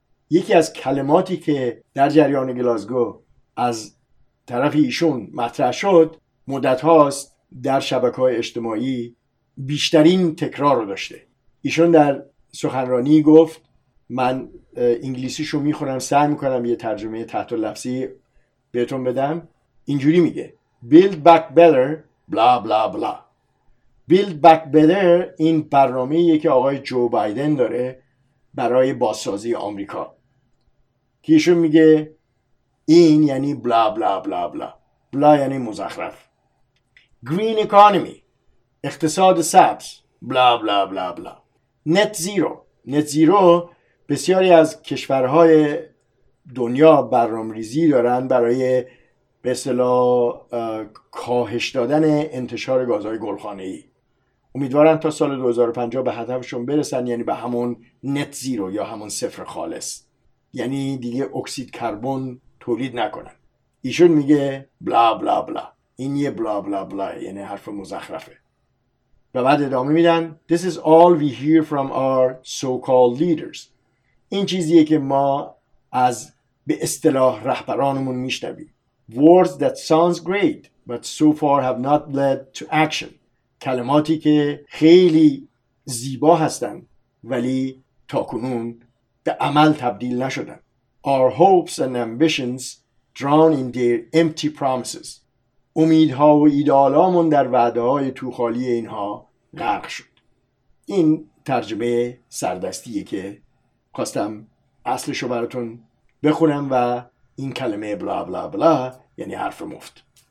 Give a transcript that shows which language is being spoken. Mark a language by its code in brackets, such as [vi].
[fa] یکی از کلماتی که در جریان گلاسگو از طرف ایشون مطرح شد مدت هاست در شبکه‌های اجتماعی بیشترین تکرار رو داشته. ایشون در سخنرانی گفت، من انگلیسیشو میخونم، سعی میکنم یه ترجمه تحت لفظی بهتون بدم. اینجوری میگه: [en] Build back better bla bla bla. Build back better [fa] این برنامه‌ایه که آقای جو بایدن داره برای بازسازی آمریکا. که ایشون میگه این یعنی بلا بلا بلا بلا، بلا یعنی مزخرف. [en] Green economy، [fa] اقتصاد سبز، بلا بلا بلا بلا. [en] Net zero، [fa] بسیاری از کشورهای دنیا برنامه‌ریزی دارن برای به اصطلاح کاهش دادن انتشار گازهای گلخانه‌ای. امیدوارن تا سال 2050 به هدفشون برسن، یعنی به همون نت زیرو یا همون صفر خالص، یعنی دیگه اکسید کربن تولید نکنن. ایشون میگه بلا بلا بلا، این یه بلا بلا بلا یعنی حرف مزخرفه. و بعد ادامه میدن: [en] This is all we hear from our so-called leaders. [fa] این چیزیه که ما از به اصطلاح رهبرانمون میشنویم. [en] Words that sounds great but so far have not led to action. [fa] کلماتی که خیلی زیبا هستن ولی تا کنون به عمل تبدیل نشدن. [en] Our hopes and ambitions drown in their empty promises. [fa] امیدها و ایدئالامون در وعده‌های توخالی اینها غرق شد. این ترجمه سردستیه که خواستم اصلشو براتون بخونم و این کلمه بلا بلا بلا یعنی حرف مفت.